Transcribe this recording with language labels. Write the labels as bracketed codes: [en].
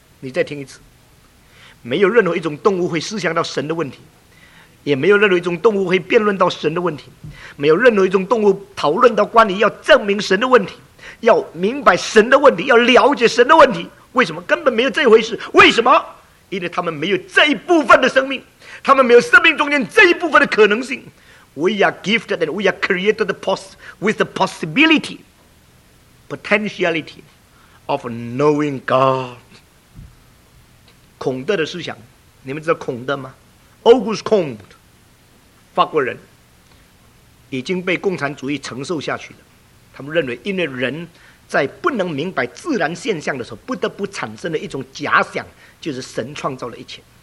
[zh] 你再听一次，没有任何一种动物会思想到神的问题，也没有任何一种动物会辩论到神的问题，没有任何一种动物讨论到关于要证明神的问题，要明白神的问题，要了解神的问题。为什么？根本没有这回事。为什么？因为他们没有这一部分的生命，他们没有生命中间这一部分的可能性。 [en] We are gifted and we are created with the possibility potentiality of knowing God. [zh] 孔德的思想，你们知道孔德吗？August Comte， 法国人，已经被共产主义承受下去了。他们认为因为人在不能明白自然现象的时候，不得不产生了一种假想，就是神创造了一切。